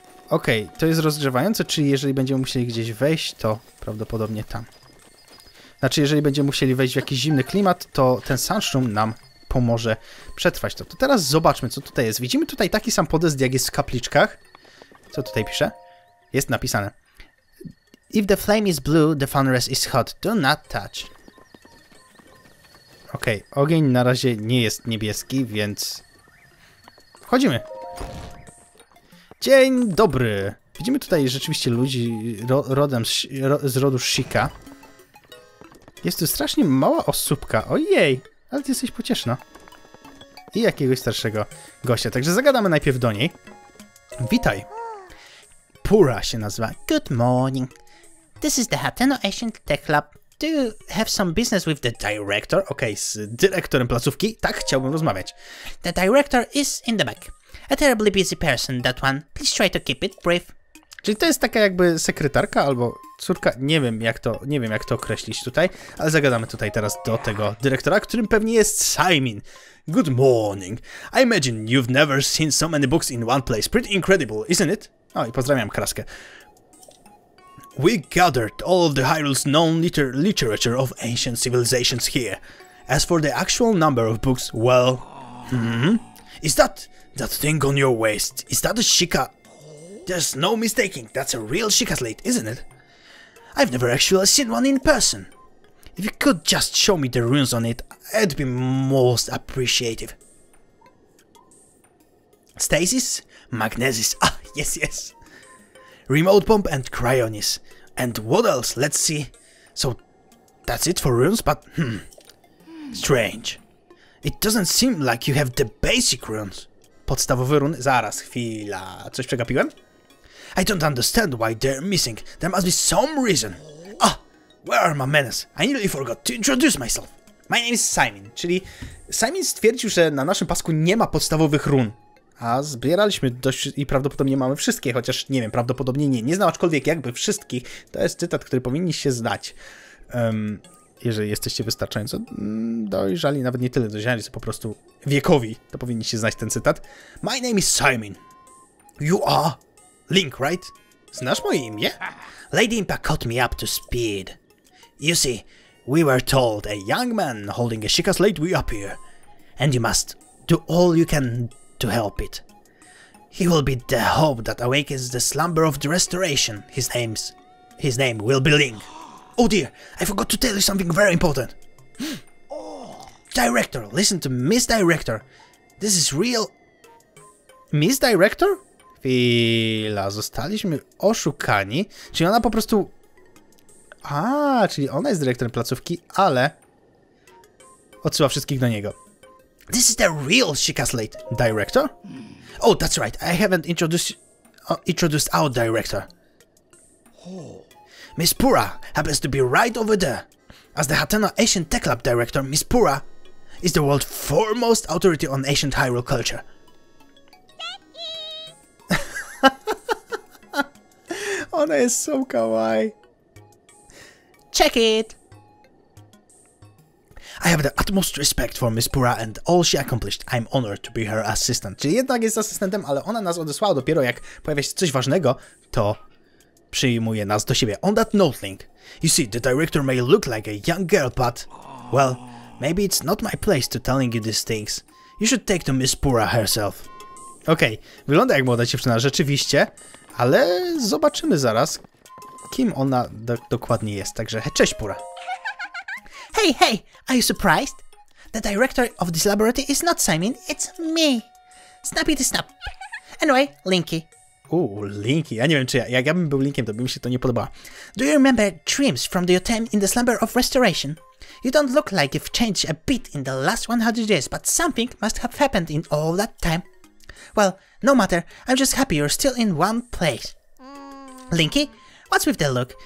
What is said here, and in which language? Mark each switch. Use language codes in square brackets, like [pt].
[pl] Okej, okay, to jest rozgrzewające, czyli jeżeli będziemy musieli gdzieś wejść, to prawdopodobnie tam. Znaczy, jeżeli będziemy musieli wejść w jakiś zimny klimat, to ten sandshroom nam pomoże przetrwać to. To teraz zobaczmy, co tutaj jest. Widzimy tutaj taki sam podest, jak jest w kapliczkach. Co tutaj pisze? Jest napisane. [en] If the flame is blue, the furnace is hot. Do not touch. [pl] Okej, okay, ogień na razie nie jest niebieski, więc... Wchodzimy! Dzień dobry! Widzimy tutaj rzeczywiście ludzi rodem z rodu Shika. Jest tu strasznie mała osóbka. Ojej! Ale ty jesteś pocieszna. i jakiegoś starszego gościa. Także zagadamy najpierw do niej. Witaj. Pura się nazywa. [en] Good morning. This is the Hateno Ancient Tech Lab. Do you have some business with the director? [pl] Okej, z dyrektorem placówki. Tak, chciałbym rozmawiać. [en] The director is in the back. A terribly busy person, that one. Please try to keep it brief. [pl] Czyli to jest taka jakby sekretarka albo córka, nie wiem jak to określić tutaj, ale zagadamy tutaj teraz do tego dyrektora, którym pewnie jest Simon. [en] Good morning. I imagine you've never seen so many books in one place. Pretty incredible, isn't it? [pl] O, i pozdrawiam Kraskę. [en] We gathered all of the Hyrule's known literature of ancient civilizations here. As for the actual number of books, well... Is that thing on your waist? Is that a Shika? There's no mistaking, that's a real Shika slate, isn't it? I've never actually seen one in person. If you could just show me the runes on it, I'd be most appreciative. Stasis? Magnesis, ah, yes, yes. Remote Bomb and Cryonis. And what else? Let's see. So, that's it for runes, but strange. It doesn't seem like you have the basic runes. [pl] Podstawowy run? Zaraz, chwila. Coś przegapiłem? [en] I don't understand why they're missing. There must be some reason. Ah, where are my manners? I nearly forgot to introduce myself. My name is Simon. [pl] Czyli Simon stwierdził, że na naszym pasku nie ma podstawowych run. A zbieraliśmy dość i prawdopodobnie mamy wszystkie, chociaż nie wiem, prawdopodobnie nie. Nie znam aczkolwiek jakby wszystkich. To jest cytat, który powinniście znać. Jeżeli jesteście wystarczająco dojrzali, nawet nie tyle dojrzali, co po prostu wiekowi, to powinniście znać ten cytat. [en] My name is Simon. You are... Link, right? [pl] Znasz moje imię? [en] Lady Impa caught me up to speed. You see, we were told a young man holding a Shika slate will appear. And you must do all you can to help it. He will be the hope that awakens the slumber of the restoration. His name will be Link. Oh dear, I forgot to tell you something very important. Director, listen to Miss Director. This is real... Miss Director? [pl] Chwila, zostaliśmy oszukani. Czyli ona po prostu... czyli ona jest dyrektorem placówki, ale... odsyła wszystkich do niego. [en] This is the real Shika Slate. Director? Oh, that's right. I haven't introduced our director. Oh. Miss Pura happens to be right over there. As the Hateno Ancient Tech Lab director, Miss Pura is the world's foremost authority on ancient Hyrule culture. [pl] Ona jest so kawaii. [en] Check it! I have the utmost respect for Miss Pura and all she accomplished. I'm honored to be her assistant. [pl] Czyli jednak jest asystentem, ale ona nas odesłała dopiero jak pojawia się coś ważnego, to przyjmuje nas do siebie. [en] On that note, Link, you see, the director may look like a young girl, but... well, maybe it's not my place to telling you these things. You should take to Miss Pura herself. [pl] Okej, okay. Wygląda jak młoda dziewczyna, rzeczywiście, ale zobaczymy zaraz, kim ona dokładnie jest, także cześć Pura. [en] Hey, hey, are you surprised? The director of this laboratory is not Simon, it's me. Snappity snap. Anyway, Linky. [pl] Linky, ja nie wiem czy jak ja bym był Linkiem, to by mi się to nie podobało. [en] Do you remember dreams from your time in the Slumber of Restoration? You don't look like you've changed a bit in the last 100 years, but something must have happened in all that time. Well, no matter. I'm just happy you're still in one place. Linky, what's with the look?